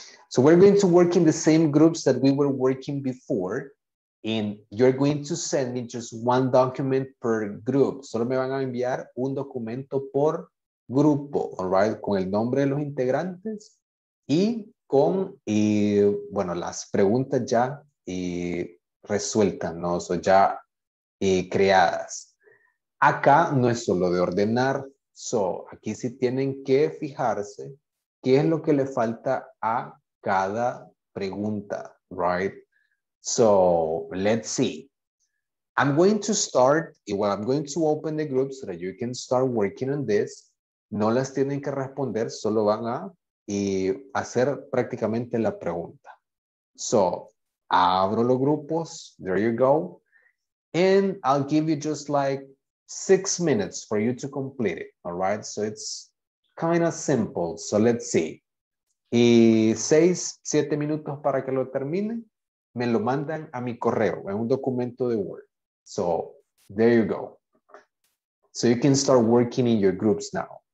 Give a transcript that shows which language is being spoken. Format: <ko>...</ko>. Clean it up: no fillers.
<en>So we're going to work in the same groups that we were working before, and you're going to send me just one document per group.</en> <es>Solo me van a enviar un documento por grupo,</es> <en>all right,</en> <es>con el nombre de los integrantes y con las preguntas ya resueltas, ¿no? So ya creadas. Acá no es solo de ordenar, so aquí sí tienen que fijarse qué es lo que le falta a cada pregunta, right?</es> <en>So let's see. I'm going to start, well, I'm going to open the group so that you can start working on this.</en> <es>No las tienen que responder, solo van a hacer prácticamente la pregunta. So Abro los grupos.</es> <en>There you go. And I'll give you just like 6 minutes for you to complete it. All right. So it's kind of simple. So let's see.</en> <es>Y 6-7 minutos para que lo termine, me lo mandan a mi correo en un documento de Word.</es> <en>So there you go. So you can start working in your groups now.</en>